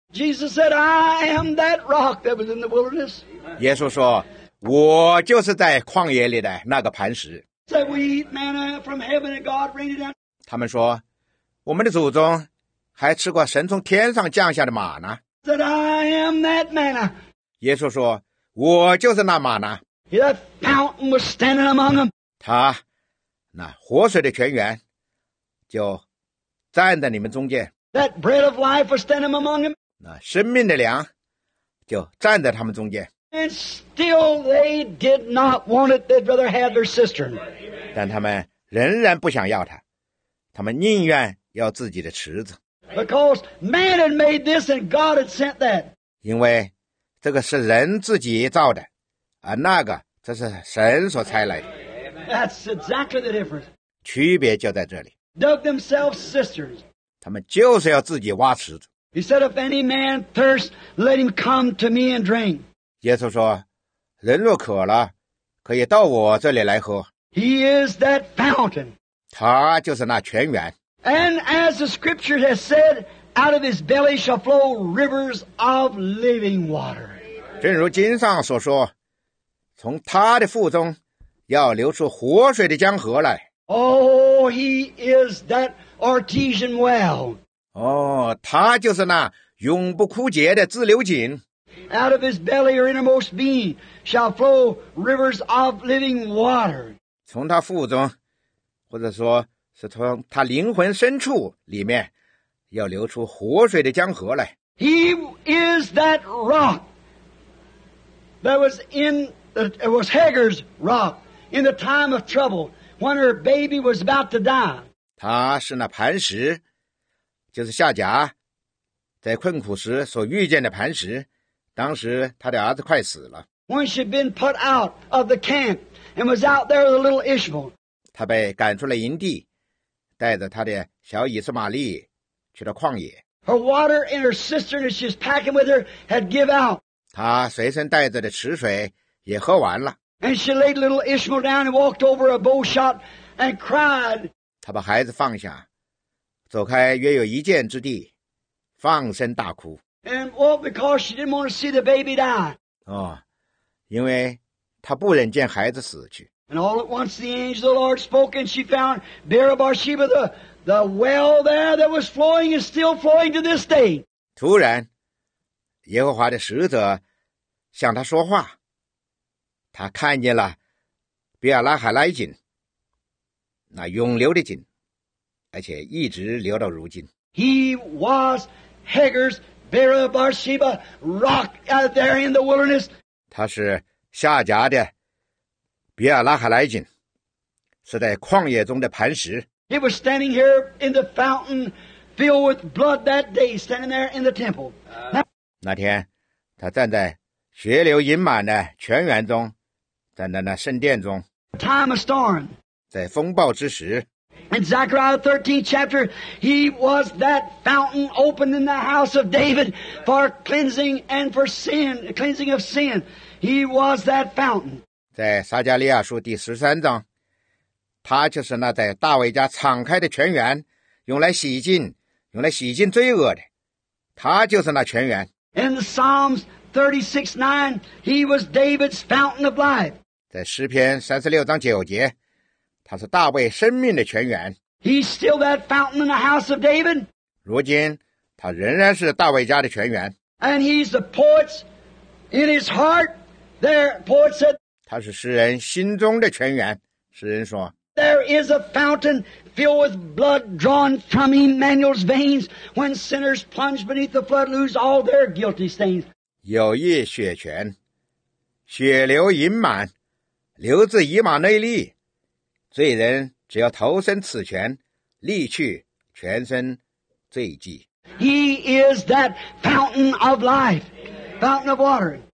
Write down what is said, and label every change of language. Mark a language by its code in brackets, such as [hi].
[en] Jesus said, I am that rock that was in the wilderness. [zh] 耶稣说，我就是在旷野里的那个磐石。 [en] Said we eat manna from heaven and God rained it down. [zh] 他们说，我们的祖宗还吃过神从天上降下的玛呢。 [en] Said I am that manna. [zh] 耶稣说，我就是那玛呢。 [en] That fountain was standing among them. [zh] 他那活水的泉源就站在你们中间。 [en] That bread of life was standing among them. [zh] 那生命的粮就站在他们中间。 [en] And still they did not want it. They'd rather have their cistern. [zh] 但他们仍然不想要它，他们宁愿要自己的池子。 [en] Because man had made this and God had sent that. [zh] 因为这个是人自己造的，而那个这是神所差来的。 [en] That's exactly the difference. [zh] 区别就在这里。 [en] Dug themselves cisterns. [zh] 他们就是要自己挖池子。 [en] He said, if any man thirst, let him come to me and drink. [zh] 耶稣说，人若渴了，可以到我这里来喝。 [en] He is that fountain. [zh] 他就是那泉源。 [en] And as the scripture has said, out of his belly shall flow rivers of living water. [zh] 正如经上所说，从他的腹中要流出活水的江河来。 [en] Oh, he is that artesian well. [zh] 哦，他就是那永不枯竭的自流井。 [en] Out of his belly or innermost being shall flow rivers of living water. [zh] 从他腹中，或者说是从他灵魂深处里面要流出活水的江河来。 [en] He is that rock that was in it was Hagar's rock in the time of trouble when her baby was about to die. [zh] 他是那磐石，就是夏甲在困苦时所遇见的磐石，当时他的儿子快死了。 [en] When she'd been put out of the camp and was out there with a little Ishmael. [zh] 他被赶出了营地，带着他的小以斯玛利去了旷野。 [en] Her water and her cistern that she was packing with her had give out. [zh] 她随身带着的池水也喝完了。 [en] And she laid little Ishmael down and walked over a bow shot and cried. [zh] 她把孩子放下，走开约有一箭之地，放声大哭。 [en] And what because she didn't want to see the baby die. [zh] 哦，因为她不忍见孩子死去。 [en] And all at once the angel of the Lord spoke and she found Beersheba, the well there that was flowing is still flowing to this day. [zh] 突然耶和华的使者向他说话，他看见了比尔拉海拉井，那永流的井，而且一直流到如今。 [en] He was Hagar's Beersheba rock out there in the wilderness. [zh] 他是夏甲的比尔拉海莱井，是在旷野中的磐石。 [en] He was standing here in the fountain, filled with blood that day, standing there in the temple. [zh] 那天，他站在血流盈满的泉源中，站在那圣殿中。 [en] Time of storm. [zh] 在风暴之时。 [en] In Zechariah 13 chapter, he was that fountain opened in the house of David for cleansing and for sin, cleansing of sin. He was that fountain. [zh] 在撒迦利亚书第十三章，他就是那在大卫家敞开的泉源，用来洗净罪恶的，他就是那泉源。 [en] In Psalms 36:9, he was David's fountain of life. [zh] 在诗篇36:9，他是大卫生命的泉源。 [en] He's still that fountain in the house of David. [zh] 如今他仍然是大卫家的泉源。 [en] And he's the poet in his heart. There, poet said. [zh] 他是诗人心中的泉源，诗人说 [en] There is a fountain filled with blood drawn from Emmanuel's veins when sinners plunge beneath the flood lose all their guilty stains. [zh] 有一血泉，血流盈满，流自以马内利，罪人只要投身此泉，沥去全身罪迹。 [en] He is that fountain of life, fountain of water.